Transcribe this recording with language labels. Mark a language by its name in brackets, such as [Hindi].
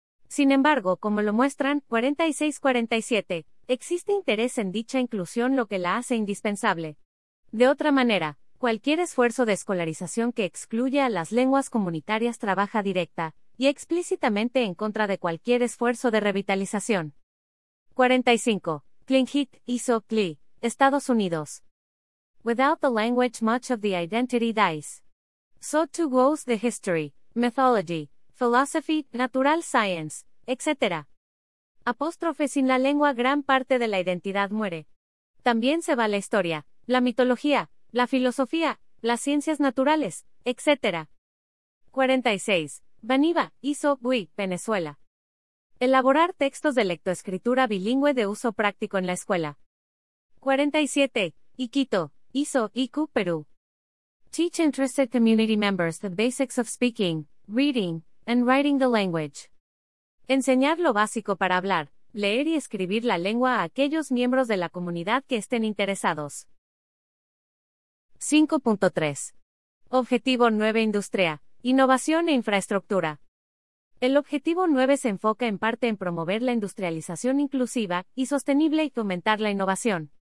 [Spanish] Sin embargo, como lo muestran 46-47, existe interés en dicha inclusión, lo que la hace indispensable. De otra manera, cualquier esfuerzo de escolarización que excluya a las lenguas comunitarias trabaja directa y explícitamente en contra de cualquier esfuerzo de revitalización. 45. Klingit, ISO, CLI, Estados Unidos. [English] Without the language, much of the identity dies. So too goes the history, mythology, philosophy, natural science, etc. [Spanish] Apóstrofe, sin la lengua gran parte de la identidad muere. También se va la historia, la mitología, la filosofía, las ciencias naturales, etc. 46. Baniva, ISO, BUI, Venezuela. Elaborar textos de lectoescritura bilingüe de uso práctico en la escuela. 47. Iquito, ISO, IQ, Perú. [English] Teach interested community members the basics of speaking, reading, and writing the language. [Spanish] Enseñar lo básico para hablar, leer y escribir la lengua a aquellos miembros de la comunidad que estén interesados. 5.3. Objetivo 9. Industria, innovación e infraestructura. El objetivo 9 se enfoca en parte en promover la industrialización inclusiva y sostenible y fomentar la innovación.